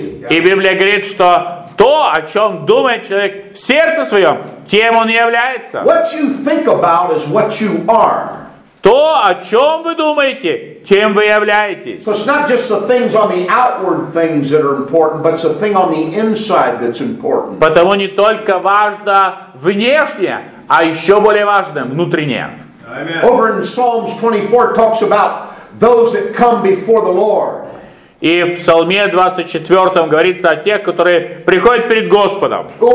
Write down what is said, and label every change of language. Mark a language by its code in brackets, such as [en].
[ru] И Библия говорит, что то, о чем думает человек в сердце своем, тем он и является. [en] What you think about is what you are. [ru] То, о чем вы думаете, тем вы являетесь. [en] So it's not just the things on the outward things that are important, but it's the thing on the inside that's important. [ru] Потому не только важно внешнее, а еще более важно внутреннее. [en] Amen. Over in Psalms 24 talks about those that come before the Lord. [ru] И в Псалме 24 говорится о тех, которые приходят перед Господом.